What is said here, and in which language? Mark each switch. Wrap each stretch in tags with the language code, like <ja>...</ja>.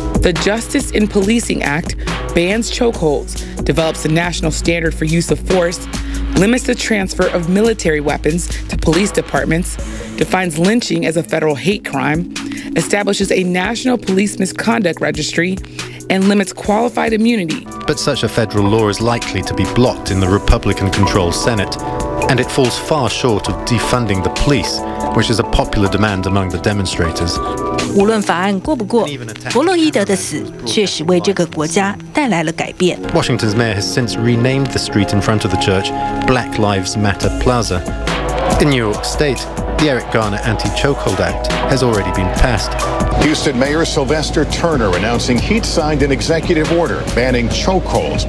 <en>The Justice in Policing Act bans chokeholds, develops a national standard for use of force, limits the transfer of military weapons to police departments, defines lynching as a federal hate crime, establishes a national police misconduct registry, and limits qualified immunity. But such a federal law is likely to be blocked in the Republican-controlled Senate, and it falls far short of defunding the police, which is a popular demand among the demonstrators.</en> <zh>无论法案过不过，弗洛伊德的死确实为这个国家带来了改变。</zh> <en>Washington's mayor has since renamed the street in front of the church Black Lives Matter Plaza. In New York State, the Eric Garner Anti-Chokehold Act has already been passed. Houston Mayor Sylvester Turner announcing he'd signed an executive order banning chokeholds.</en>